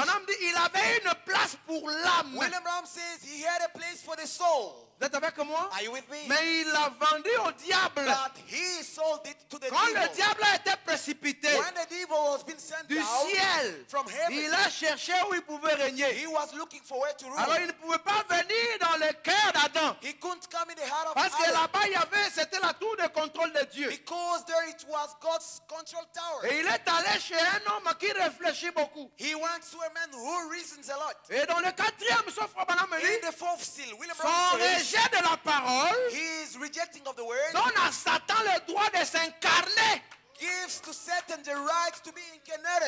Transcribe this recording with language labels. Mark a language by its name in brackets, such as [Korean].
[French] Branham dit, il avait une place pour l'âme. [English] William Brown says he had a place for the soul. [French] Vous êtes avec moi? [English] Are you with me? [French] Mais il l'a vendu au diable. [English] But he sold it to the [French] Quand [English] devil. [French] Le diable a été précipité [English] When the devil was being sent [French] du [English] down [French] ciel, [English] from heaven, [French] il a cherché où il pouvait régner. [English] He was looking for where to rule. [French] Alors il ne pouvait pas venir dans le cœur d'Adam. [English] He couldn't come in the heart of [French] Parce [English] Adam. [French] Que là-bas, il y avait, c'était la tour de contrôle de Dieu. [English] Because there it was God's control tower. [French] Et il est allé chez un homme qui réfléchit beaucoup. [English] He went to a man who reasons a lot. [French] Et dans le quatrième, sauf Abraham, me dit, [English] in the fourth seal, William [French] Brown Le rejet de la parole [English] He is rejecting of the word, [French] donne à Satan le droit de s'incarner. [English] Gives to Satan the right to be incarnated.